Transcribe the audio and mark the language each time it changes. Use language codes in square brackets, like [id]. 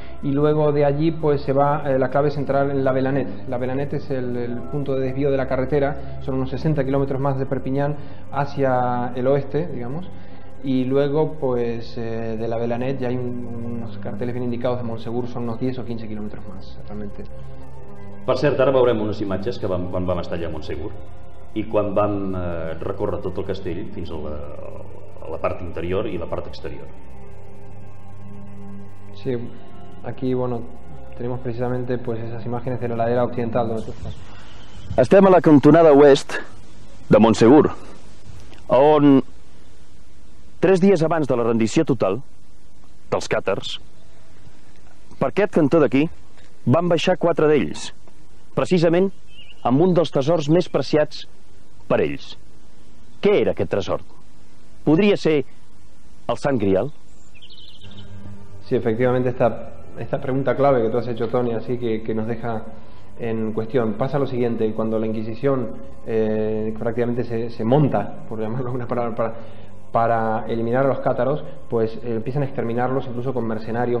[es] Y luego de allí, pues se va, la clave es entrar en la Velanet es el punto de desvío de la carretera, son unos 60 kilómetros más de Perpiñán hacia el oeste, digamos. Y luego, pues de la Velanet ya hay unos carteles bien indicados de Montsegur, son unos 10 o 15 kilómetros más, realmente. [ca] Per cert, ara veurem unes imatges que vam estar allà a Montsegur i quan vam recórrer tot el castell fins a la part interior i la part exterior. [es] Sí, aquí, bueno, tenemos precisamente pues esas imágenes de la ladera occidental. [ca] Estem a la cantonada oest de Montsegur, on tres dies abans de la rendició total dels càtars, per aquest cantó d'aquí van baixar quatre d'ells, precisament amb un dels tesors més preciats per ells. Què era aquest tresor? Podria ser el Sant Grial? [es] Sí, efectivamente, esta pregunta clave que tú has hecho, Tony, así que nos deja en cuestión. Pasa lo siguiente: cuando la Inquisición prácticamente se monta, por llamarlo una palabra, para eliminar a los cátaros, pues empiezan a exterminarlos incluso con mercenarios.